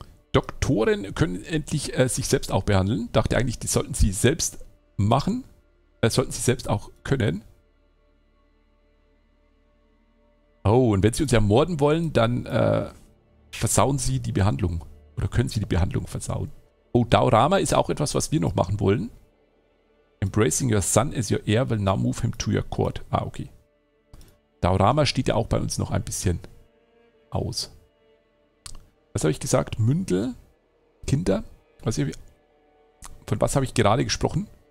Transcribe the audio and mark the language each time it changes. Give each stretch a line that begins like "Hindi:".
German: Doktoren können endlich sich selbst auch behandeln. Dachte eigentlich, die sollten sie selbst machen. Sollten sie selbst auch können. Oh, und wenn sie uns ermorden wollen, dann Versauen Sie die Behandlung? Oder können Sie die Behandlung versauen? Oh, Daorama ist auch etwas, was wir noch machen wollen.
English: Embracing your son as your heir will now move him to your court.
German: Ah, okay. Daorama steht ja auch bei uns noch ein bisschen aus. Was habe ich gesagt? Mündel? Kinder? Von was habe ich gerade gesprochen?